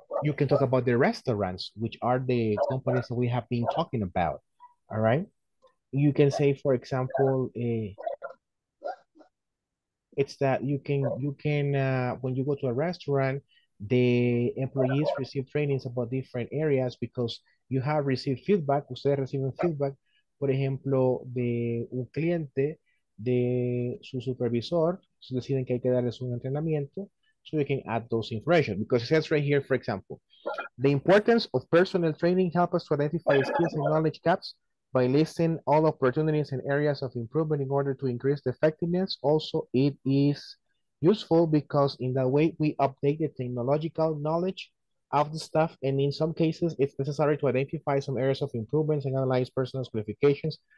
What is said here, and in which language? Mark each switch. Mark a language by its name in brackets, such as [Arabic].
[English] You can talk about the restaurants, which are the companies that we have been talking about, all right? You can say, for example, it's that you can when you go to a restaurant, the employees receive trainings about different areas because you have received feedback. [Spanish] Ustedes reciben feedback, por ejemplo, de un cliente, de su supervisor. So deciden que hay que darles un entrenamiento. [English] So you can add those information. Because it says right here, for example, the importance of personal training helps us to identify skills and knowledge gaps by listing all opportunities and areas of improvement in order to increase the effectiveness. Also, it is useful because in that way we update the technological knowledge of the staff, and in some cases it's necessary to identify some areas of improvements and analyze personal qualifications.